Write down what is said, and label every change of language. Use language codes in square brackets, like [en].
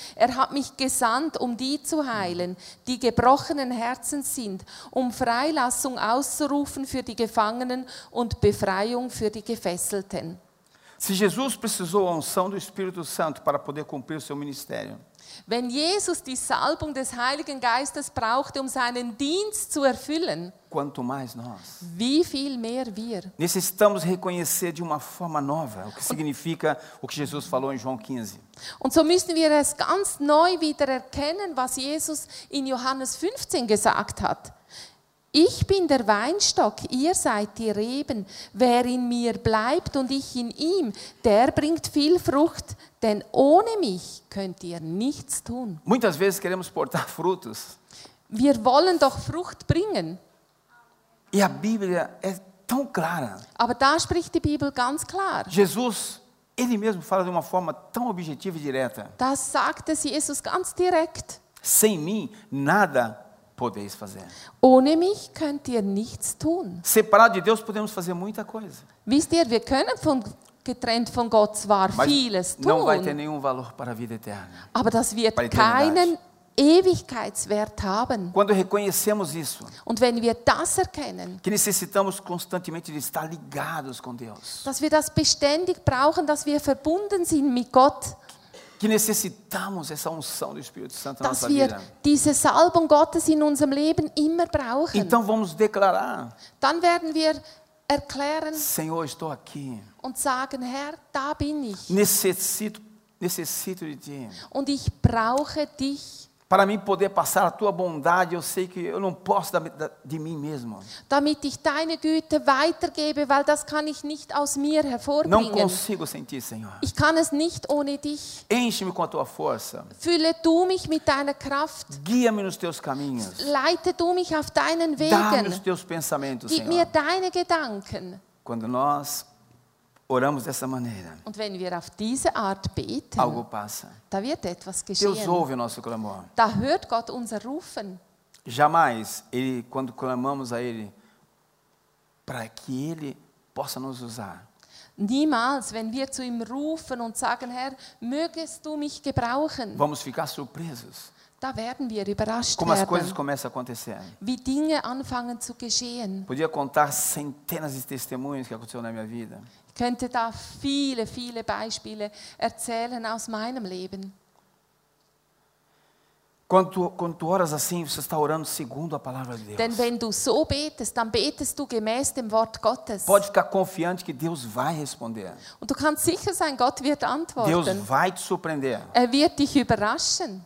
[de] Er hat mich gesandt, um die zu heilen, die gebrochenen Herzen sind, um Freilassung auszurufen für die Gefangenen und Befreiung für die Gefesselten. [pt] Se Jesus precisou da unção do Espírito Santo para poder cumprir o seu ministério. [de] Wenn Jesus die Salbung des Heiligen Geistes brauchte, um seinen Dienst zu erfüllen. [pt] Quanto mais nós. [de] Wie viel mehr wir. [pt] Necessitamos reconhecer de uma forma nova o que significa o que Jesus falou em João 15. [de] Und so müssen wir es ganz neu wieder erkennen, was Jesus in Johannes 15 gesagt hat. Ich bin der Weinstock, ihr seid die Reben. Wer in mir bleibt und ich in ihm, der bringt viel Frucht, denn ohne mich könnt ihr nichts tun. [pt] Muitas vezes queremos portar frutos. [de] Wir wollen doch Frucht bringen. [pt] E a Bíblia é tão clara. [de] Aber da spricht die Bibel ganz klar. [pt] Jesus, ele mesmo fala de uma forma tão objetiva e direta. [de] Das sagte Jesus ganz direkt. [pt] Sem mim, nada podeis fazer. [de] Ohne mich könnt ihr nichts tun. [pt] Separado de Deus podemos fazer muita coisa. [de] Wisst ihr, wir können von, getrennt von Gott zwar [pt] mas [de] vieles tun. [pt] Não vai ter nenhum valor para a vida eterna. [de] Aber das wird keinen Ewigkeitswert haben. [pt] Quando reconhecemos isso. [de] Und wenn wir das erkennen. [pt] Que necessitamos constantemente de estar ligados com Deus. [de] Dass wir das beständig brauchen, dass wir verbunden sind mit Gott. [pt] Que necessitamos essa unção do Espírito Santo na nossa vida. [de] Dass wir diese Salbung Gottes in unserem Leben immer brauchen. [pt] Então vamos declarar. [de] Dann werden wir erklären. [pt] Senhor, estou aqui. [de] Und sagen, Herr, da bin ich. [pt] Necessito de ti. [de] Und ich brauche dich. [pt] Para mim poder passar a tua bondade, eu sei que eu não posso de mim mesmo. [de] Damit ich deine Güte weitergebe, weil das kann ich nicht aus mir hervorbringen. [pt] Não consigo sem ti, Senhor. [de] Ich kann es nicht ohne dich. [pt] Enche-me com a tua força. [de] Fülle du mich mit deiner Kraft. [pt] Guia-me nos teus caminhos. [de] Leite du mich auf deinen Wegen. [pt] Dá-me os teus pensamentos, [de] Senhor. Gib mir deine Gedanken. [pt] Quando nós oramos dessa maneira. [de] Und wenn wir auf diese Art beten, [pt] algo passa. [de] Da wird etwas geschehen. [pt] Deus ouve o nosso clamor. [de] Da hört Gott unser Rufen. [pt] Jamais, ele, quando clamamos a Ele, para que Ele possa nos usar. [de] Niemals, wenn wir zu ihm rufen und sagen, Herr, mögest du mich gebrauchen. [pt] Vamos ficar surpresos. [de] Da werden wir überrascht [pt] como as coisas começam a acontecer. [de] Wie Dinge anfangen zu geschehen. [pt] Podia contar centenas de testemunhos que aconteceu na minha vida. [de] Ich könnte da viele, viele Beispiele erzählen aus meinem Leben. [pt] Quando tu oras assim, você está orando segundo a palavra de Deus. [de] Denn wenn du so betest, dann betest du gemäß dem Wort Gottes. [pt] Pode ficar confiante que Deus vai responder. [de] Und du kannst sicher sein, Gott wird antworten. [pt] Deus vai te surpreender. [de] Er wird dich überraschen.